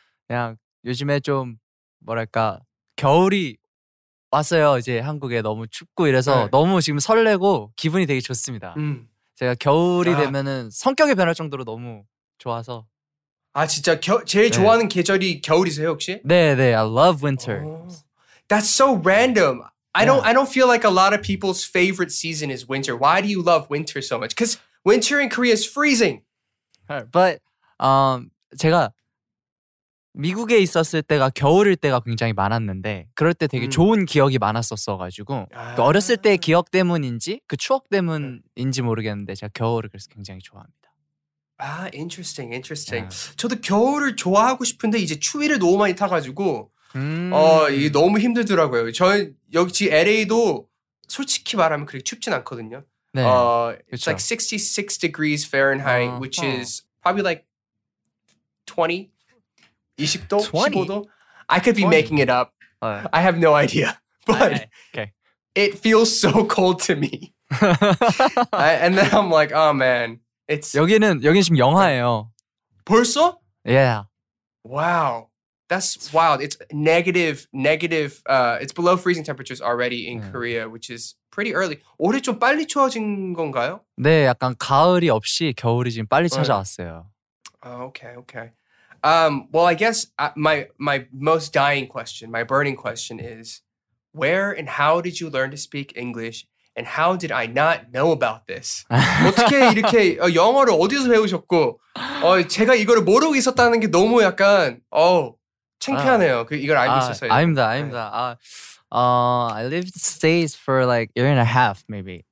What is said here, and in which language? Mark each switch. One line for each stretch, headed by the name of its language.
Korean: 그냥 요즘에 좀 뭐랄까 겨울이 왔어요. 이제 한국에 너무 춥고 이래서 right. 너무 지금 설레고 기분이 되게 좋습니다. 제가 겨울이 되면은 성격이 변할 정도로 너무 좋아서 아 진짜 제일 네. 좋아하는 계절이 겨울이세요 혹시?
English: 네네 I love winter. That's so random. I don't feel like a lot of people's favorite season is winter. Why do you love winter so much? Because winter in Korea is freezing.
Korean: But 제가 미국에 있었을 때가 겨울일 때가 굉장히 많았는데 그럴 때 되게 좋은 기억이 많았었어가지고 아. 어렸을 때의 기억 때문인지 그 추억 때문인지 모르겠는데 제가 겨울을 그래서 굉장히 좋아합니다.
English: 아, interesting. Yeah.
Korean: 저도 겨울을 좋아하고 싶은데 이제 추위를 너무 많이 타가지고 이게 너무 힘들더라고요. 저는 여기 LA도 솔직히 말하면 그렇게 춥진 않거든요. 네.
English: It's like 66 degrees Fahrenheit, which is probably like 20.
Korean: 20도? 15도?
English: I could be 20. Making it up. I have no idea. But okay. It feels so cold to me. And then I'm like, oh man. It's
Korean: 여기는 지금 영하예요. 벌써?
English: Yeah. Wow. That's wild. It's negative. It's below freezing temperatures already in Korea, which is pretty early.
Korean: 올해 좀 빨리 추워진 건가요? 네, 약간 가을이 없이 겨울이 지금 빨리 찾아왔어요.
English: Okay. Well, I guess my most dying question, my burning question is, where and how did you learn to speak English? And how did I not know about this?
Korean: 어떻게 이렇게 영어를 어디서 배우셨고 제가 이거를 모르고 있었다는 게 너무 약간 창피하네요. 이걸 알고 있었어요. 아닙니다. 네.
English: I lived in the States for like a year and a half maybe.